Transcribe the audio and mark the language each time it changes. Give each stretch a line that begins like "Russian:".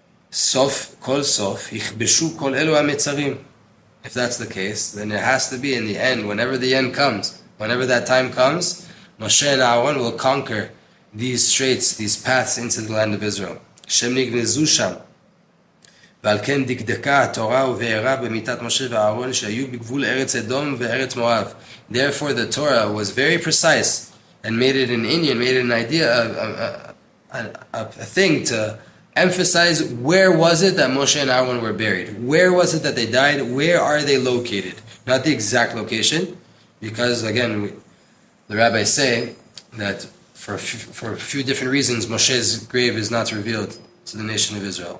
Hebrew: Sof kol sof yichbeshu kol elu ha-metzarim.
English: If that's the case, then it has to be in the end. Whenever the end comes, whenever that time comes, Moshe and Aaron will conquer these straits, these paths into the land of Israel.
Hebrew: Shem nigvezu sham. ועל כן דקדקה התורה ובהרה במיטת משה ואהרון שהיו בגבול ארץ אדום וארץ מואב.
English: Therefore the Torah was very precise and made it an Indian, made it an idea, a thing to emphasize where was it that Moshe and Aaron were buried. Where was it that they died? Where are they located? Not the exact location, because again, the rabbis say that for a few different reasons, Moshe's grave is not revealed to the nation of Israel.